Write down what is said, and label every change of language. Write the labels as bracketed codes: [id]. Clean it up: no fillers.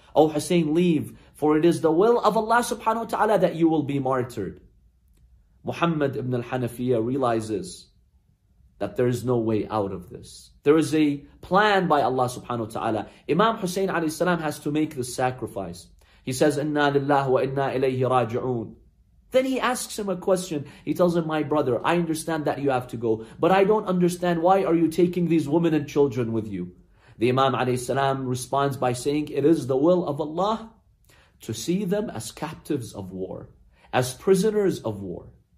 [en] Oh Hussein, leave, for it is the will of Allah subhanahu wa ta'ala that you will be martyred. Muhammad ibn al-Hanafiyyah realizes that there is no way out of this. There is a plan by Allah subhanahu wa ta'ala. Imam Hussein alayhi salam has to make this sacrifice. He says, [ar] إِنَّا لِلَّهِ وَإِنَّا إِلَيْهِ رَاجِعُونَ. [en] Then he asks him a question. He tells him, my brother, I understand that you have to go, but I don't understand, why are you taking these women and children with you? The Imam alayhi salam responds by saying, it is the will of Allah to see them as captives of war, as prisoners of war.